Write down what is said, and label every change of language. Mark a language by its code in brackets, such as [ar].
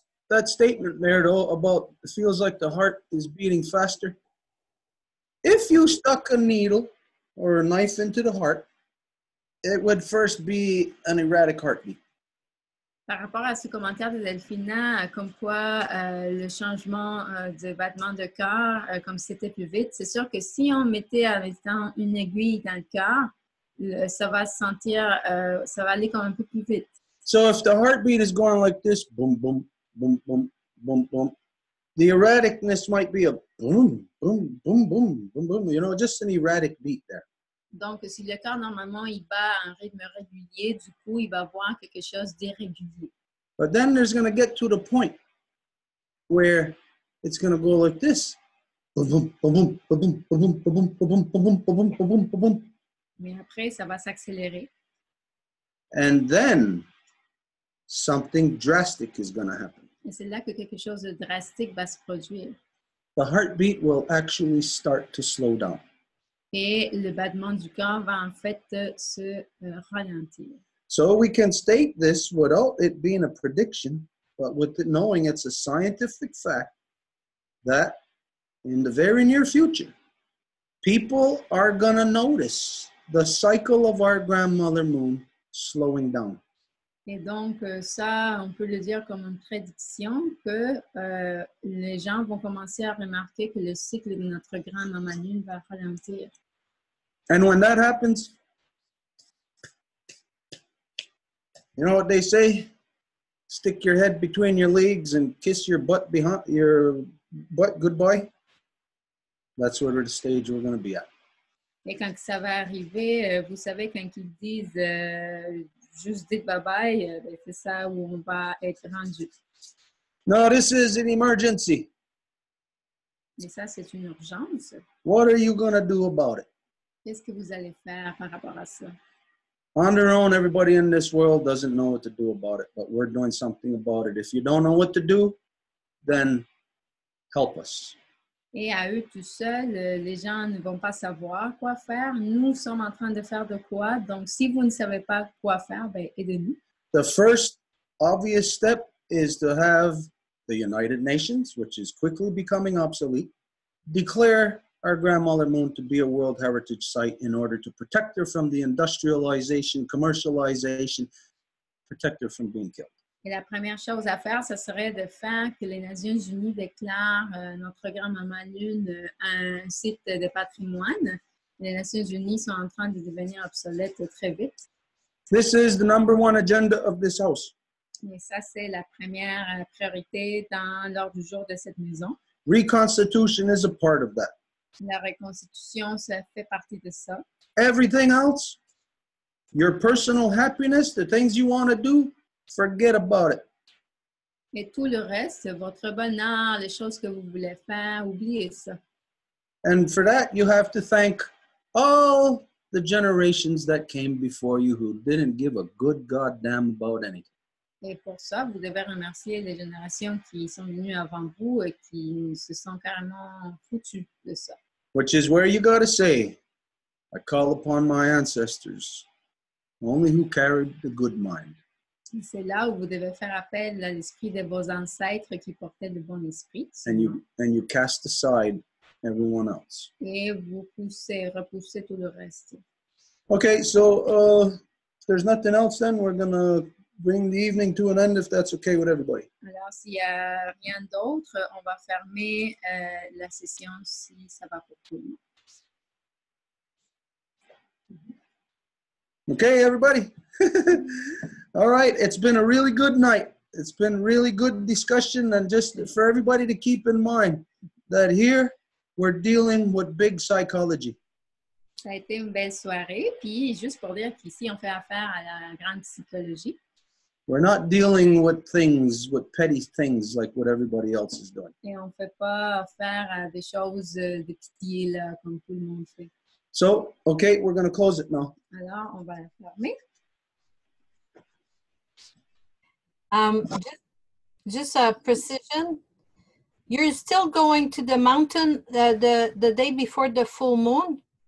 [en] That statement there, though, about it feels like the heart is beating faster. If you stuck a needle or a knife into the heart, it would first be an erratic heartbeat. [fr] Par rapport à ce commentaire de Delphina, comme quoi le changement de battement de cœur, comme c'était plus vite, c'est sûr que si on mettait en même temps une aiguille dans le cœur, ça va se sentir, ça va aller comme un peu plus vite. [en] So if the heartbeat is going like this, boom, boom, boom, boom, boom, boom, the erraticness might be a boom, boom, boom, boom, boom, boom. You know, just an erratic beat there. [fr] Donc, si le cœur normalement il bat à un rythme régulier, du coup, il va avoir quelque chose d'irrégulier. [en] But then there's going to get to the point where it's going to go like this. Boom, boom, boom, boom, boom, boom, boom, boom, boom, boom, boom, boom, boom, boom. [fr] Mais après, ça va s'accélérer. [en] And then something drastic is going to happen. [fr] Et c'est là que quelque chose de drastique va se produire. [en] The heartbeat will actually start to slow down. [fr] Et le battement du cœur va en fait se ralentir. [en] So we can state this without it being a prediction, but with it knowing it's a scientific fact that in the very near future, people are going to notice the cycle of our grandmother moon slowing down. [fr] Et donc, ça, on peut le dire comme une prédiction que les gens vont commencer à remarquer que le cycle de notre grande maman lune va ralentir. [en] And when that happens, you know what they say? Stick your head between your legs and kiss your butt behind your butt goodbye. That's where the stage we're going to be at. [fr] Et quand ça va arriver, vous savez, quand ils disent... juste dit bye-bye, c'est ça où on va être rendu. [en] No, this is an emergency. [fr] Mais ça, c'est une urgence. [en] What are you going to do about it? [fr] Qu'est-ce que vous allez faire par rapport à ça? [en] On their own, everybody in this world doesn't know what to do about it, but we're doing something about it. If you don't know what to do, then help us. [fr] Et à eux tout seuls, les gens ne vont pas savoir quoi faire. Nous sommes en train de faire de quoi. Donc, si vous ne savez pas quoi faire, ben, aidez-nous. [en] The first obvious step is to have the United Nations, which is quickly becoming obsolete, declare our grandmother moon to be a World Heritage Site in order to protect her from the industrialization, commercialization, protect her from being killed. [fr] Et la première chose à faire, ce serait de faire que les Nations Unies déclarent notre grand-maman Lune un site de patrimoine. Les Nations Unies sont en train de devenir obsolètes très vite. [en] This is the number one agenda of this house. [fr] Et ça, c'est la première priorité dans l'ordre du jour de cette maison. [en] Reconstitution is a part of that. [fr] La reconstitution, ça fait partie de ça. [en] Everything else, your personal happiness, the things you want to do, forget about it. [fr] Et tout le reste, votre bonheur, les choses que vous voulez faire, oubliez ça. [en] And for that, you have to thank all the generations that came before you who didn't give a good goddamn about anything. [fr] Et pour ça, vous devez remercier les générations qui sont venues avant vous et qui se sont carrément foutues de ça. [en] Which is where you gotta say, I call upon my ancestors, only who carried the good mind. [fr] C'est là où vous devez faire appel à l'esprit de vos ancêtres qui portaient le bon esprit. [en] And you cast aside everyone else. [fr] Et vous poussez, repoussez tout le reste. [en] Okay, so if there's nothing else, then we're gonna bring the evening to an end if that's okay with everybody. [fr] Alors s'il n'y a rien d'autre, on va fermer la session si ça va pour tout le monde. [en] Okay, everybody. All right, it's been a really good night. It's been really good discussion, and just for everybody to keep in mind that here we're dealing with big psychology. [fr] Ça a été une belle soirée. Puis, juste pour dire qu'ici, on fait affaire à la grande psychologie. [en] We're not dealing with things, with petty things, like what everybody else is doing. [fr] Et on fait pas affaire à des choses de petits, là, comme tout le monde fait. [en] So, okay, we're going to close it now. [fr] Alors, on va la fermer. [en] Just a precision. You're still going to the mountain the day before the full moon?